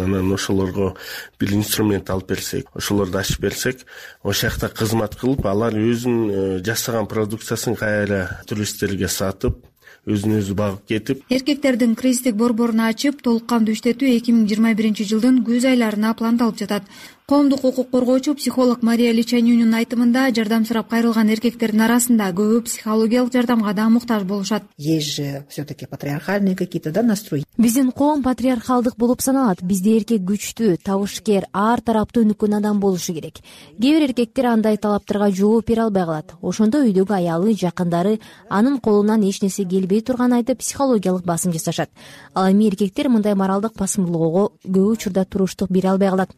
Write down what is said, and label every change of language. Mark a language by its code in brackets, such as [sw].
[ky] Анан ошолорго бир инструмент алып берсек, ошолорду ачып берсек, ошол жакта кызмат кылып, алар өзүн жасаган продукциясын кайра туристтерге сатып, өзүн өзү багып кетип. Эркектердин кризистик борборун ачып, толук камтуу иштетүү 2021 жылдын күз айларына пландалып жатат. Коомдук укук коргоочу психолог Мария Личанюнун айтымында жардам сурап кайрылган эркектердин арасында көбү психологиялык жардамга да муктаж болушат. [ru] Есть же все-таки патриархальные какие-то да настрой. [ky] Биздин коом патриархалдык болуп саналат. Бизде эркек күчтүү, табышкер, ар тараптуу өнүккөн адам болушу керек. Кээ бир эркектер андай талаптарга жооп бере албай калат. Ошондо үйдөгү аялы, жакындары анын колунан эч нерсе келбей турганын айтып психологиялык басым жасашат. Ал эми эркектер мындай моралдык басымдуулукко көп учурда туруштук бере албай калат.